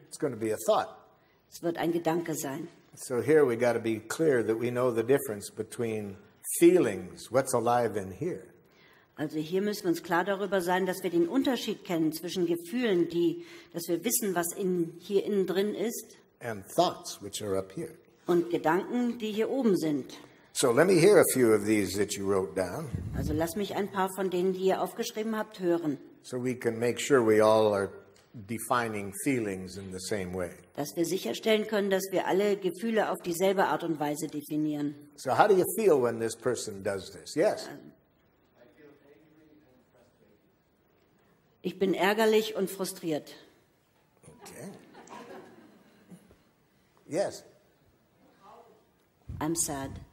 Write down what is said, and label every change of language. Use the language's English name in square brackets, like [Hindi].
[English] It's going to be a thought. [German] Es wird ein Gedanke sein. [English] So here we got to be clear that we know the difference between feelings, what's alive in here. [German] Also hier müssen wir uns klar darüber sein, dass wir den Unterschied kennen zwischen Gefühlen, die, dass wir wissen, was in, hier innen drin ist. [English] And thoughts, which are up here. [German] Und Gedanken, die hier oben sind. [English] So let me hear a few of these that you wrote down. [German] Also lass mich ein paar von denen, die ihr aufgeschrieben habt, hören. [English] So we can make sure we all are defining feelings in the same way. [German] Dass wir sicherstellen können, dass wir alle Gefühle auf dieselbe Art und Weise definieren. [English] So how do you feel when this person does this? Yes. [German] Ich bin ärgerlich und frustriert. [English] Okay. Yes. I'm sad.